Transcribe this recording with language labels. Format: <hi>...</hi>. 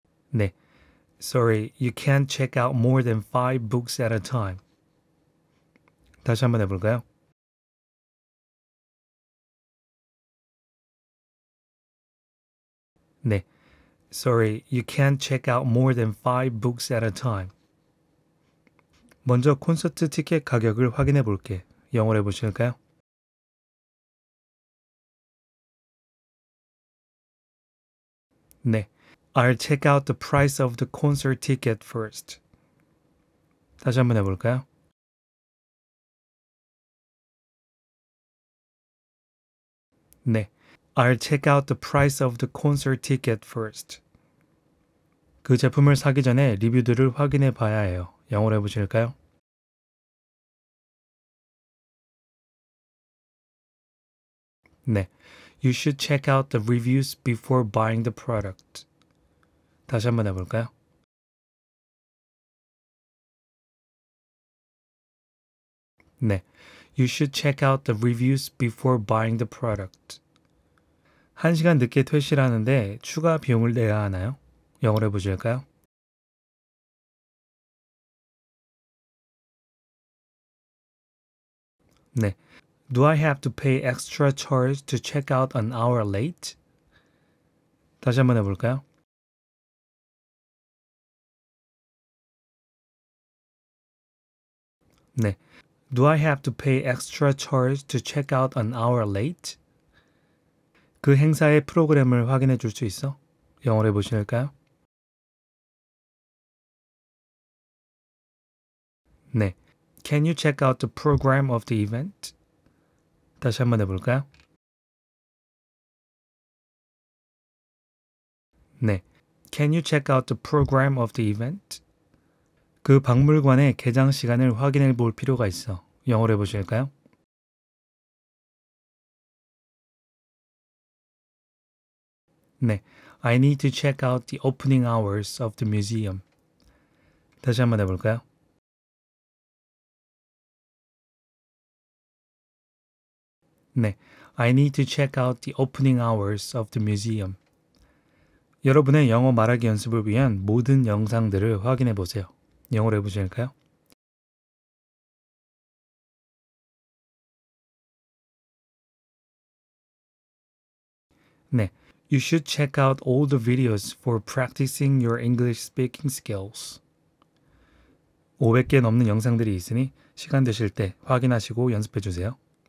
<ko>네,</ko> <en>Sorry, you can't check out more than five books at a time.</en> <ko>다시 한번 해볼까요? 네,</ko> <en>Sorry, you can't check out more than five books at a time.</en> <ko>먼저 콘서트 티켓 가격을 확인해 볼게. 영어로 해보실까요? 네,</ko> <en>I'll check out the price of the concert ticket first.</en> <ko>다시 한번 해볼까요? 네,</ko> <en>I'll check out the price of the concert ticket first.</en> <ko>그 제품을 사기 전에 리뷰들을 확인해 봐야 해요. 영어로 해보실까요? 네,</ko> <en>You should check out the reviews before buying the product.</en> <ko>다시 한번 해볼까요? 네,</ko> <en>You should check out the reviews before buying the product.</en> <ko>한 시간 늦게 퇴실하는데 추가 비용을 내야 하나요? 영어로 해보실까요? 네,</ko> <en>Do I have to pay extra charge to check out an hour late?</en> <ko>다시 한번 해볼까요? 네.</ko> <en>Do I have to pay extra charge to check out an hour late?</en> <ko>그 행사의 프로그램을 확인해 줄 수 있어? 영어로 해보실까요? 네.</ko> <en>Can you check out the program of the event?</en> <ko>다시 한번 해볼까요? 네.</ko> <en>Can you check out the program of the event?</en> <ko>그 박물관의 개장 시간을 확인해 볼 필요가 있어. 영어로 해보실까요? 네.</ko> <en>I need to check out the opening hours of the museum.</en> <ko>다시 한번 해볼까요? 네.</ko> <en>I need to check out the opening hours of the museum.</en> <ko>여러분의 영어 말하기 연습을 위한 모든 영상들을 확인해 보세요. 영어로 해보실까요? 네.</ko> <en>You should check out all the videos for practicing your English speaking skills.</en> <ko>500개 넘는 영상들이 있으니 시간 되실 때 확인하시고 연습해 주세요.</ko>